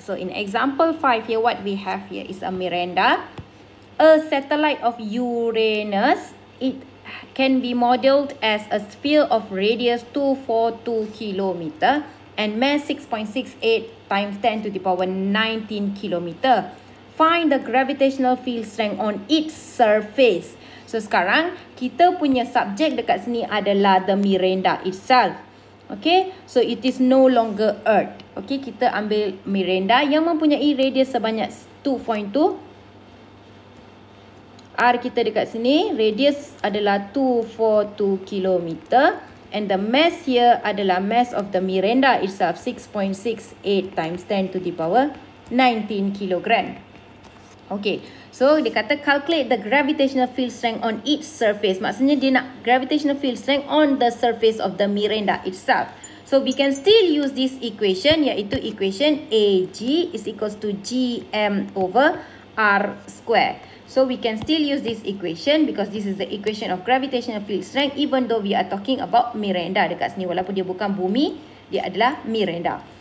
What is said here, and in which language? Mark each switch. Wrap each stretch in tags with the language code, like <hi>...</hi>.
<en>So in example 5 here, what we have here is a Miranda, a satellite of Uranus. It can be modeled as a sphere of radius 242 km and mass 6.68 × 10⁻¹⁹ km. Find the gravitational field strength on its surface.</en> <ms>So sekarang kita punya subjek dekat sini adalah</ms> <en>the Miranda itself. Okay, so it is no longer Earth.</en> <ms>Okay, kita ambil Miranda yang mempunyai radius sebanyak 2.2. R kita dekat sini, radius adalah 242 km.</ms> <en>And the mass here adalah mass of the Miranda itself, 6.68 × 10⁻¹⁹ kg. Okay, so</en> <ms>dia kata</ms> <en>calculate the gravitational field strength on each surface.</en> <ms>Maksudnya dia nak</ms> <en>gravitational field strength on the surface of the Miranda itself. So we can still use this equation, iaitu equation AG is equals to GM over R square. So we can still use this equation because this is the equation of gravitational field strength even though we are talking about Miranda</en> <ms>dekat sini. Walaupun dia bukan bumi, dia adalah Miranda.</ms>